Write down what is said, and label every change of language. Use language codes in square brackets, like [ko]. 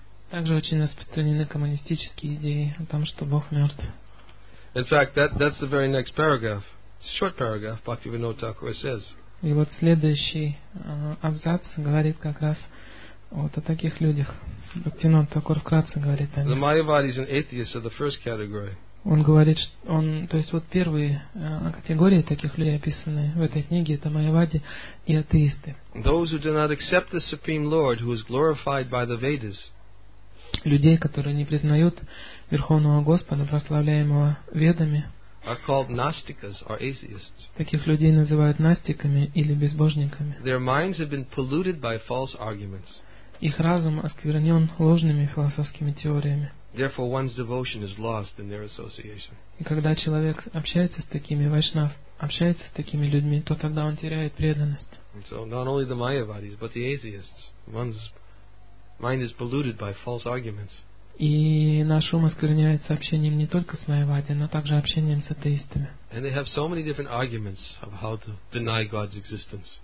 [ru] Также очень распространены коммунистические идеи о том, что Бог мертв. [en] In fact, that's the very next paragraph. It's a short paragraph, Bhaktivinoda Thakura says. [ru] И вот следующий абзац говорит как раз вот о таких людях. Бхактивинода Такур вкратце говорит о них. [en] The Mayavadis and atheists are the first category. [ru] Он говорит, то есть вот первые категории таких людей описаны в этой книге, это майявади и атеисты. [en] Those who do not accept the Supreme Lord, who is glorified by the Vedas. [ru] Людей, которые не признают Верховного Господа, прославляемого ведами. [en] Are called nastikas or atheists. [ru] Таких людей называют настиками или безбожниками. [en] Their minds have been polluted by false arguments. [ru] Их разум осквернен ложными философскими теориями. [en] Therefore, one's devotion is lost in their association. [ru] И когда человек общается с такими вайшнав, общается с такими людьми, то тогда он теряет преданность. [en] And so, not only the Mayavadis, but the atheists, one's mind is polluted by false arguments. [ru] И наш ум оскверняется общением не только с Майявади, но также общением с атеистами. [en] And they have so many different arguments of how to deny God's existence.